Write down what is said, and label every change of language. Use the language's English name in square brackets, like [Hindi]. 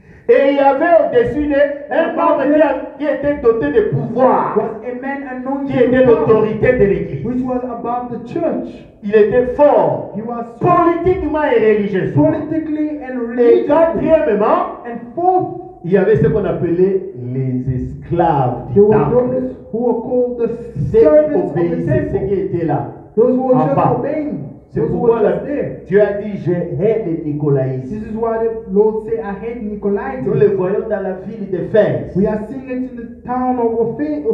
[French] Et il y avait au-dessus d'eux un homme qui était doté de pouvoir. [English] Was a man anointed [French] qui était l'autorité de l'église. [English] Which was above the church. [French] Il était fort. [English] He was [French] politiquement et religieusement. [English] Politically and religiously. [French] Et quatrièmement, [English] and fourth, [French] il y avait ce qu'on appelait les esclaves du temple. [English] There were those who were called the servants of the temple. [French] C'est ce qui était là. [English] Those who were just obeying. [French] C'est pourquoi la, Dieu a dit je hais les Nicolaïtes. [English] This is why the Lord said I hate Nicolaites. [French] Nous le voyons dans la ville d'Éphèse. [English] We are seeing it in the town of Ephesus.